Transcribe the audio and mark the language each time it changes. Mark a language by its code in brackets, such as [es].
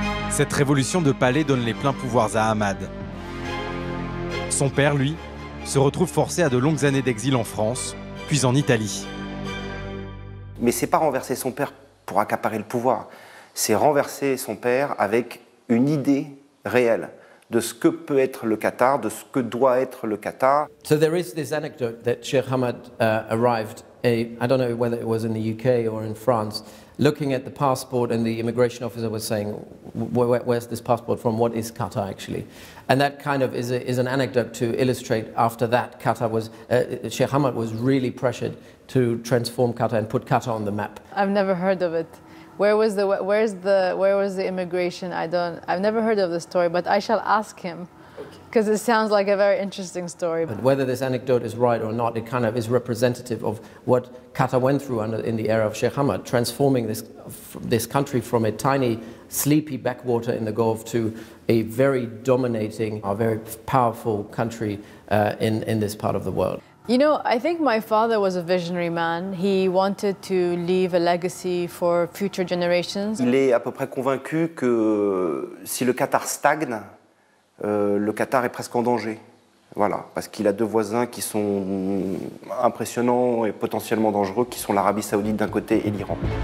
[fr] Cette révolution de palais donne les pleins pouvoirs à Ahmad. Son père, lui, se retrouve forcé à de longues années d'exil en France, puis en Italie. Mais ce n'est pas renverser son père pour accaparer le pouvoir. C'est renverser son père avec une idée réelle de ce que peut être le Qatar, de ce que doit être le Qatar. [en] So there is this anecdote that Sheikh Hamad arrived, I don't know whether it was in the UK or in France, looking at the passport, and the immigration officer was saying, where's this passport from? What is Qatar actually? And that kind of is an anecdote to illustrate after that Qatar was, Sheikh Hamad was really pressured to transform Qatar and put Qatar on the map. I've never heard of it. Where was the immigration? I've never heard of the story, but I shall ask him, because it sounds like a very interesting story. But whether this anecdote is right or not, it kind of is representative of what Qatar went through under, in the era of Sheikh Hamad, transforming this country from a tiny, sleepy backwater in the Gulf to a very dominating, a very powerful country in this part of the world. You know, I think my father was a visionary man. He wanted to leave a legacy for future generations. [fr] Il est à peu près convaincu que si le Qatar stagne, le Qatar est presque en danger. Voilà, parce qu'il a deux voisins qui sont impressionnants et potentiellement dangereux, qui sont l'Arabie Saoudite d'un côté et l'Iran.